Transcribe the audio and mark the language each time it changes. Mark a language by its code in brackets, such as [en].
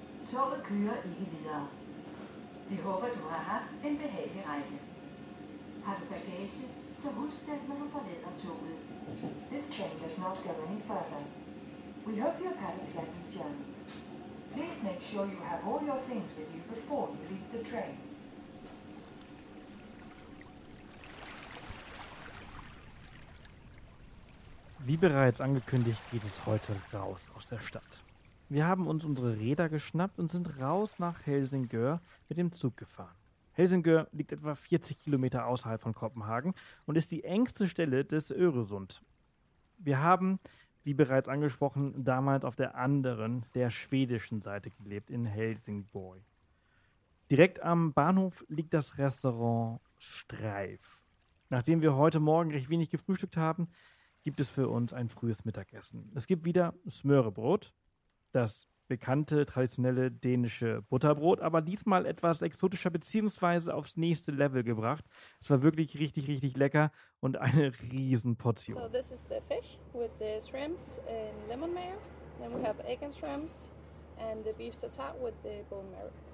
[da] Toget kører ikke videre. Vi håber, du har haft en behagelig rejse. Har du bagage, så husk det, når du forlader toget. [en] This train does not go any further. We hope you have had a pleasant journey. Please make sure you have all your things with you before you leave the train. [de] Wie bereits angekündigt, geht es heute raus aus der Stadt. Wir haben uns unsere Räder geschnappt und sind raus nach Helsingør mit dem Zug gefahren. Helsingør liegt etwa 40 Kilometer außerhalb von Kopenhagen und ist die engste Stelle des Öresund. Wir haben, wie bereits angesprochen, damals auf der anderen, der schwedischen Seite gelebt, in Helsingborg. Direkt am Bahnhof liegt das Restaurant Streif. Nachdem wir heute Morgen recht wenig gefrühstückt haben, gibt es für uns ein frühes Mittagessen. Es gibt wieder Smørrebrød. Das bekannte, traditionelle dänische Butterbrot, aber diesmal etwas exotischer beziehungsweise aufs nächste Level gebracht. Es war wirklich richtig, richtig lecker und eine riesen Portion. [en] So, this is the fish with the shrimps and lemon mayo. Then we have egg and shrimps and the beef tartare with the bone marrow.